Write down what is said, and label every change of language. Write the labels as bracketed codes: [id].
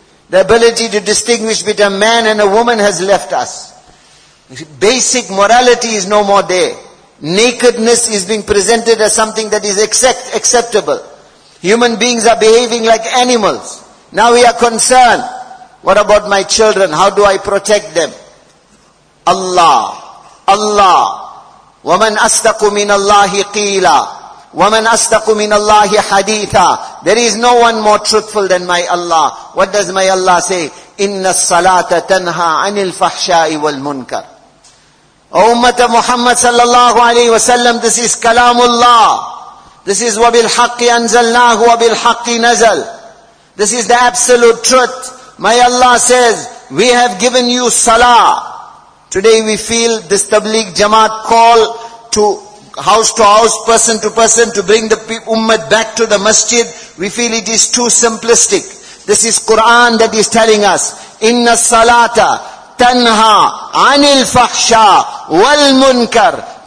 [en] The ability to distinguish between a man and a woman has left us. Basic morality is no more there. Nakedness is being presented as something that is acceptable. Human beings are behaving like animals. Now we are concerned. What about my children? How do I protect them? [ar] Allah, Allah, وَمَنْ أَصْدَقُ مِنَ اللَّهِ قِيلًا وَمَنْ أَصْدَقُ مِنَ اللَّهِ حَدِيثًا. [en] There is no one more truthful than my Allah. What does my Allah say? [ar] إِنَّ الصَّلَاةَ تَنْهَى عَنِ الْفَحْشَاءِ وَالْمُنْكَرِ. [en] O Ummat of Muhammad sallallahu alayhi wa sallam, this is kalamullah. This is [ar] وَبِالْحَقِّ أَنزَلْنَاهُ وَبِالْحَقِّ نَزَلْ. [en] This is the absolute truth. My Allah says, we have given you salah. Today we feel this Tabligh Jamaat call to house, person to person, to bring the ummah back to the masjid. We feel it is too simplistic. This is Quran that is telling us, [ar] Inna salata tanha anil fahsha wal munkar.